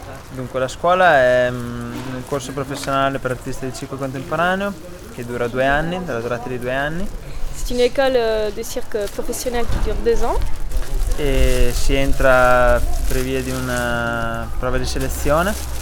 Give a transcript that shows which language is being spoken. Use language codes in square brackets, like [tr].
[it] Dunque, la scuola è un corso professionale per artisti di circo contemporaneo che dura 2 anni, dalla durata di 2 anni. [fr] C'est une école de cirque professionnelle qui dure 2 ans. [it] E si entra per via di una prova di selezione.